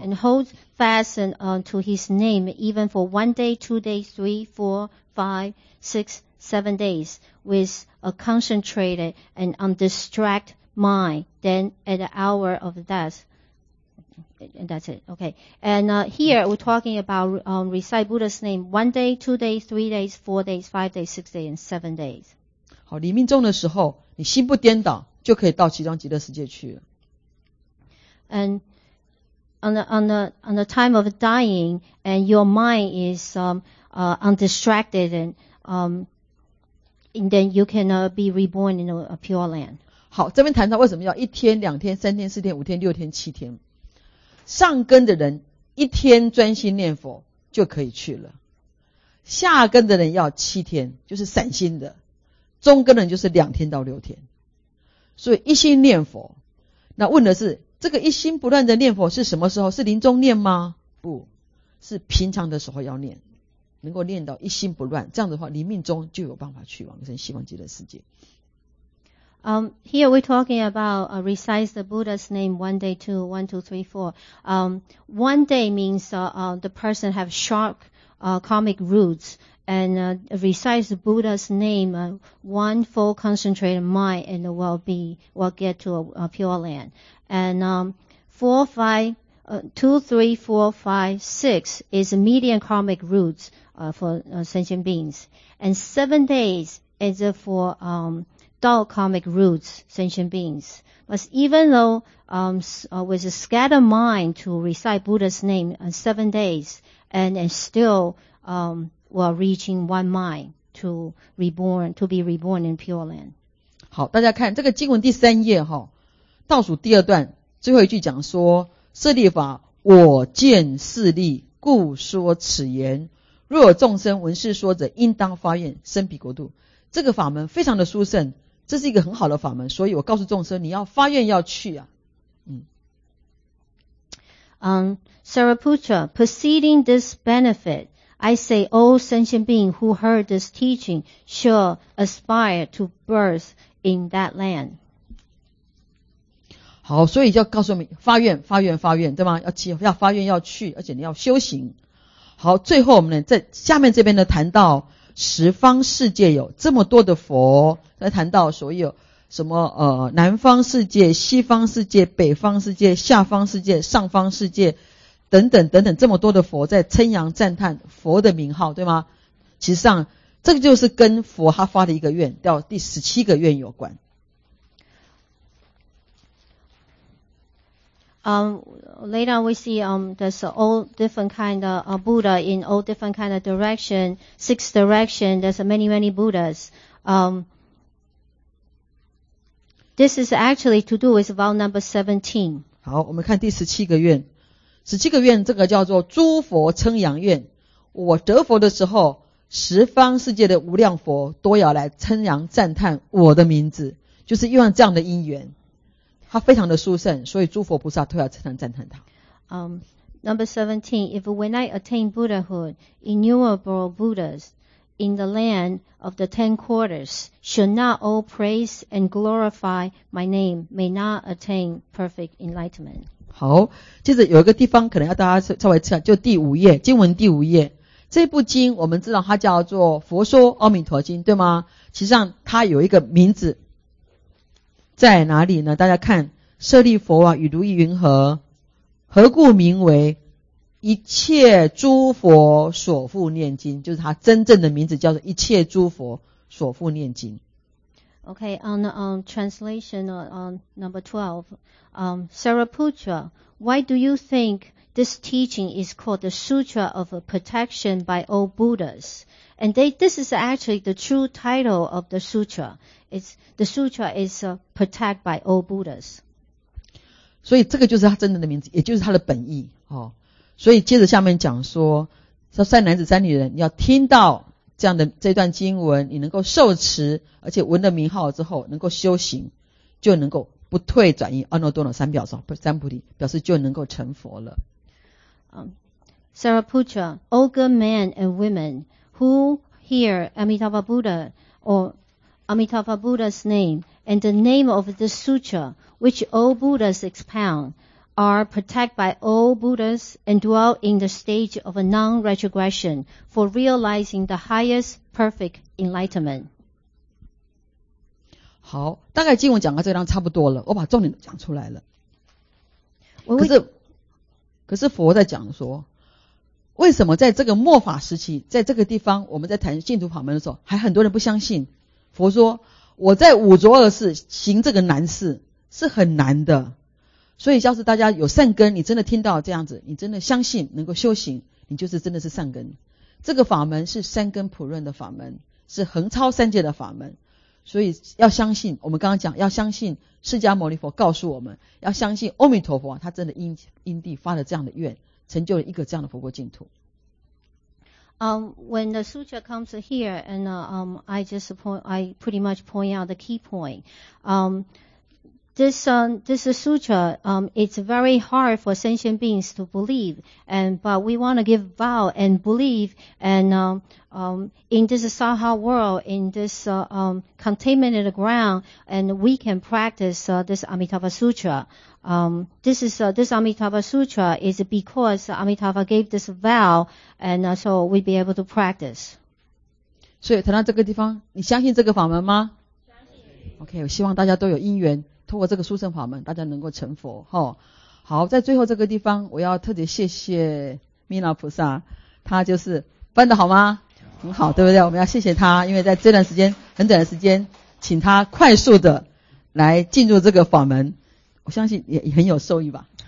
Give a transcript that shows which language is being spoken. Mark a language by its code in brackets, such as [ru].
[en] ，and holds fast and to his name even for 1 day, 2 days, 3, 4, 5, 6, 7 days with a concentrated and undistracted. Mind, then at the hour of death, and that's it. Okay. And here we're talking about recite Buddha's name 1 day, 2 days, 3 days, 4 days, 5 days, 6 days, and 7 days. [zh] 好，临命终的时候，你心不颠倒，就可以到其中极乐世界去了。 [en] And on the time of dying, and your mind is undistracted, and then you can be reborn in a pure land. [zh] 好，这边谈到为什么要一天、两天、三天、四天、五天、六天、七天。上根的人一天专心念佛就可以去了，下根的人要七天，就是散心的，中根的人就是两天到六天。所以一心念佛，那问的是这个一心不乱的念佛是什么时候？是临终念吗？不是，平常的时候要念，能够念到一心不乱，这样的话临命中就有办法去往生西方极乐世界。 [en] Here we're talking about recite the Buddha's name one day, two, one, two, three, four. One day means the person have sharp karmic roots and recite the Buddha's name, one full concentrated mind, and will get to a pure land. And two, three, four, five, six is median karmic roots for sentient beings. And 7 days is for dull karmic roots, sentient beings. But even though with a scattered mind to recite Buddha's name in 7 days, and still while reaching one mind to be reborn in pure land. [zh] 好，大家看这个经文第三页哈，倒数第二段最后一句讲说：舍利法，我见势力，故说此言。若有众生闻是说者，应当发愿生彼国度。这个法门非常的殊胜。这是一个很好的法门，所以我告诉众生，你要发愿要去啊。 [en] Sariputra, perceiving this benefit, I say all sentient beings who heard this teaching shall aspire to birth in that land. [zh] 好，所以就告诉我们发愿，发愿，发愿，对吗？要发愿要去，而且你要修行。好，最后我们呢，在下面这边呢谈到。十方世界有这么多的佛，在谈到所有什么南方世界、西方世界、北方世界、下方世界、上方世界等等等等，这么多的佛在称扬赞叹佛的名号，对吗？其实上这个就是跟佛他发的一个愿，叫第十七个愿有关。 [en] Later we see, there's all different kind of Buddha in all different kind of direction, six direction, there's many, many Buddhas. This is actually to do with vow number 17. [zh] 好，我们看第十七个愿。十七个愿这个叫做诸佛称扬愿。我得佛的时候，十方世界的无量佛都要来称扬赞叹我的名字，就是用这样的因缘。他非常的殊胜，所以诸佛菩萨都要称赞赞叹他。 [en] Number 17, if when I attain Buddhahood, innumerable Buddhas in the land of the ten quarters should not all praise and glorify my name, may not attain perfect enlightenment. [zh] 好，接着有一个地方可能要大家稍微看，就第五页，经文第五页。这部经我们知道它叫做《佛说阿弥陀经》，对吗？其实上它有一个名字。在哪里呢？大家看，舍利佛啊，与如意云何？何故名为一切诸佛所复念经？就是他真正的名字叫做一切诸佛所复念经。 [en] Okay, on translation on number 12, Sariputra, why do you think this teaching is called the Sutra of Protection by all Buddhas? And this is actually the true title of the Sutra. It's the sutra is protected by all Buddhas. [zh] 所以这个就是他真正的名字，也就是他的本意、哦、所以接着下面讲说，说善男子、善女人，你要听到这样的这段经文，你能够受持，而且闻了名号之后，能够修行，就能够不退转移阿耨多罗三藐三菩提，表示就能够成佛了。 Sariputra, all good men and women who hear Amitabha Buddha or Amitabha Buddha's name and the name of the sutra which all Buddhas expound are protected by all Buddhas and dwell in the stage of a non-retrogression for realizing the highest perfect enlightenment. 好，大概经文讲到这段差不多了，我把重点讲出来了。可是佛在讲说，为什么在这个末法时期，在这个地方我们在谈净土法门的时候，还很多人不相信？佛说我在五浊恶世行这个难事是很难的。所以要是大家有善根，你真的听到这样子，你真的相信能够修行，你就是真的是善根。这个法门是三根普润的法门，是横超三界的法门。所以要相信，我们刚刚讲要相信释迦牟尼佛告诉我们，要相信阿弥陀佛，他真的因地发了这样的愿，成就了一个这样的佛国净土。 [en] When the sutra comes here, and I pretty much point out the key point. This sutra, it's very hard for sentient beings to believe, but we want to give vow and believe, in this Saha world, in this contaminated ground, and we can practice this Amitabha Sutra. This Amitabha Sutra is because Amitabha gave this vow, and so we'd be able to practice. [zh] 所以谈到这个地方，你相信这个法门吗？相信。OK, 我希望大家都有因缘透过这个殊胜法门，大家能够成佛齁。好，在最后这个地方，我要特别谢谢弥勒菩萨，他就是翻得好吗？很好，对不对？我们要谢谢他，因为在这段时间很短的时间，请他快速的来进入这个法门，我相信也很有受益吧。